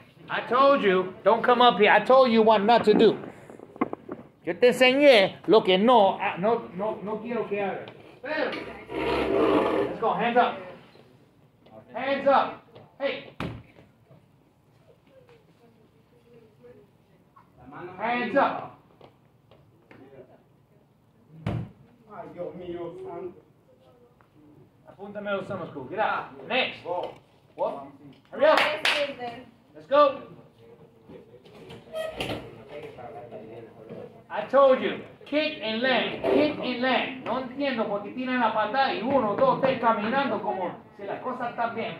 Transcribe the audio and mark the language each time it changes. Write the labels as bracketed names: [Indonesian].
[English] I told you, don't come up here. I told you what not to do. [Spanish] Yo te enseñé lo que no, no, no, no quiero que haga. [English] Let's go, hands up. Hands up. Hey. Hands up. [Spanish] Ay, Dios mío, apúntame a los [English] summer school. Get out. Next. What? Hurry up. Let's go. I told you, kick and land, kick and land. [Spanish] No entiendo porque tienen la patada y uno, dos, tres, caminando como si las cosas están bien.